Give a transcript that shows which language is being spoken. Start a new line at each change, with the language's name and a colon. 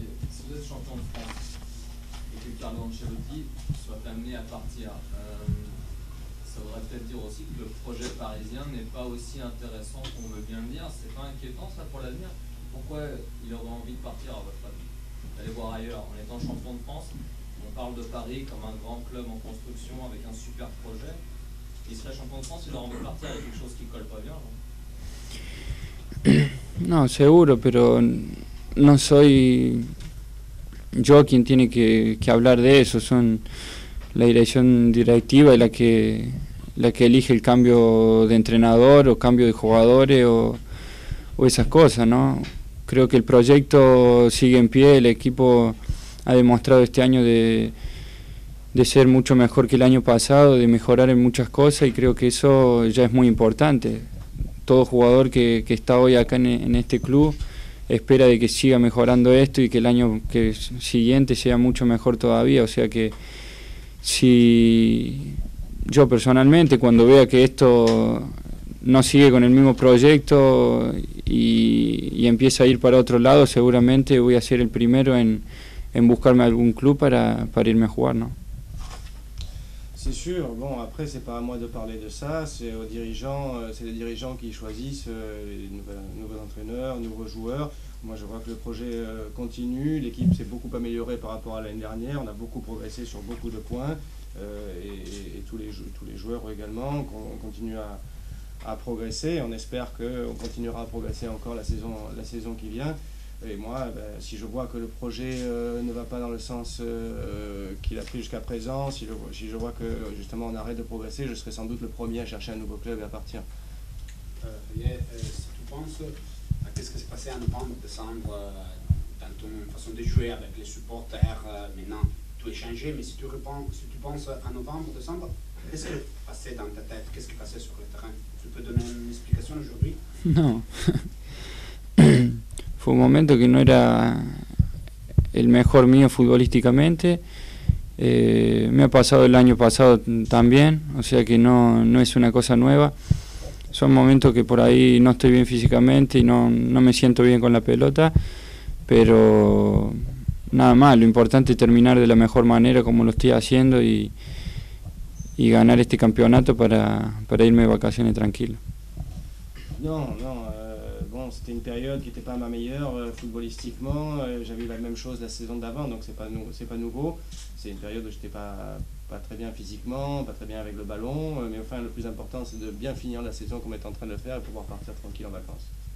French: Si vous êtes champion de France et que Carlo Ancelotti soit amené à partir, ça voudrait peut-être dire aussi que le projet parisien n'est pas aussi intéressant qu'on veut bien le dire. C'est pas inquiétant ça pour l'avenir? Pourquoi il aurait envie de partir à votre avis, d'aller voir ailleurs? En étant champion de France, on parle de Paris comme un grand club en construction avec un super projet. Il serait champion de France, il aurait envie de partir avec quelque chose qui ne colle pas bien, genre. Non, c'est sûr, mais non,
Spanish: soy yo quien tiene que hablar de eso. Son la dirección directiva la que elige el cambio de entrenador o cambio de jugadores o esas cosas, ¿no? Creo que el proyecto sigue en pie, el equipo ha demostrado este año de ser mucho mejor que el año pasado, de mejorar en muchas cosas, y creo que eso ya es muy importante. Todo jugador que está hoy acá en este club espera de que siga mejorando esto y que el año siguiente sea mucho mejor todavía. O sea que si yo personalmente, cuando vea que esto no sigue con el mismo proyecto y empieza a ir para otro lado, seguramente voy a ser el primero en buscarme algún club para irme a jugar, ¿no?
French: C'est sûr. Bon, après, c'est pas à moi de parler de ça. C'est aux dirigeants, c'est les dirigeants qui choisissent les nouveaux entraîneurs, nouveaux joueurs. Moi, je vois que le projet continue. L'équipe s'est beaucoup améliorée par rapport à l'année dernière. On a beaucoup progressé sur beaucoup de points. Et tous les joueurs également continuent à progresser. On espère qu'on continuera à progresser encore la saison qui vient. Et moi, ben, si je vois que le projet ne va pas dans le sens qu'il a pris jusqu'à présent, si je vois que justement on arrête de progresser, je serai sans doute le premier à chercher un nouveau club et à partir. Si tu penses à ce qui s'est passé en novembre-décembre, dans ton façon de jouer avec les supporters, maintenant tout est changé, mais si tu penses à novembre-décembre, qu'est-ce qui s'est passé dans ta tête? Qu'est-ce qui s'est passé sur le terrain? Tu peux donner une explication aujourd'hui? Non.
Spanish: Fue un momento que no era el mejor mío futbolísticamente. Me ha pasado el año pasado también, o sea que no es una cosa nueva. Son momentos que por ahí no estoy bien físicamente y no me siento bien con la pelota, pero nada más, lo importante es terminar de la mejor manera como lo estoy haciendo y ganar este campeonato para irme de vacaciones tranquilo. No.
French: Bon, c'était une période qui n'était pas ma meilleure footballistiquement. J'avais eu la même chose la saison d'avant, donc c'est pas nouveau. C'est une période où j'étais pas très bien physiquement, pas très bien avec le ballon. Mais enfin, le plus important, c'est de bien finir la saison comme on est en train de le faire et pouvoir partir tranquille en vacances.